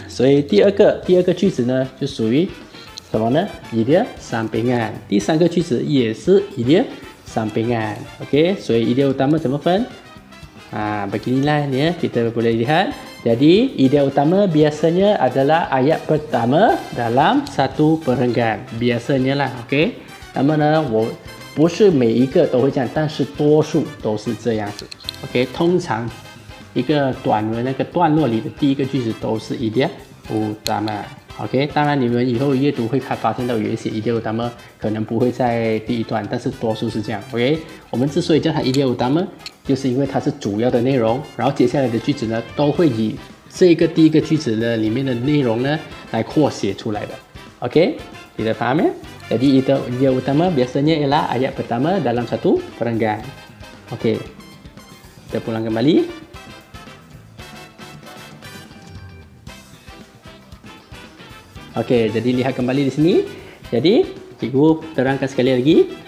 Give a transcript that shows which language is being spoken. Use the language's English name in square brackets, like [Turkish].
[Chinese] So, tiga句子呢, 就属于 什么呢? Idea sampingan. 第三个句子 也是 idea sampingan. [Malay] Okey, so idea utama macam apa? Beginilah ni ya, kita boleh lihat. Jadi, idea utama biasanya adalah ayat pertama dalam satu perenggan. Biasanya lah, okey. [Chinese] Namanya, 我不是每一个都会这样,但是多数都是这样子. Okey, 通常一个短文那个段落里的第一个句子都是 idea utama. OK, 当然你们以后阅读会发现到有一些 idea utama 可能不会在第一段, 但是多数是这样, OK? 我们之所以叫它 idea utama 就是因为它是主要的内容, 然后接下来的句子呢, 都会以这个第一个句子里面的内容呢, 来扩写出来的, OK? 你的 [Malay] faham ya? Jadi idea utama biasanya ialah ayat pertama dalam satu perenggan. OK, kita pulang kembali. Okey, jadi lihat kembali di sini. Jadi, cikgu terangkan sekali lagi.